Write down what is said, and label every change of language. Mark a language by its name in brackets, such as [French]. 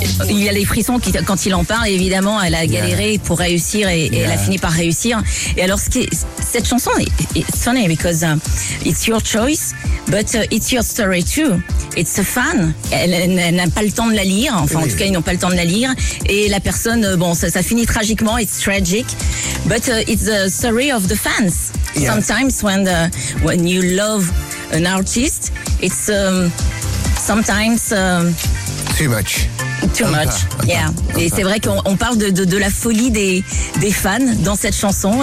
[French] Il y a les frissons quand il en parle, évidemment, elle a galéré. Yeah. Pour réussir et yeah. Elle a fini par réussir. Et alors, cette chanson, [English] it's funny because it's your choice, but it's your story too. It's a fan. [French] Elle n'a pas le temps de la lire. Enfin, oui. En tout cas, ils n'ont pas le temps de la lire. Et la personne, bon, ça finit tragiquement. [English] It's tragic. But it's the story of the fans. Yeah. Sometimes when you love an artist, it's sometimes... Too much. Yeah. [French] Et c'est vrai qu'on parle de la folie des fans dans cette chanson.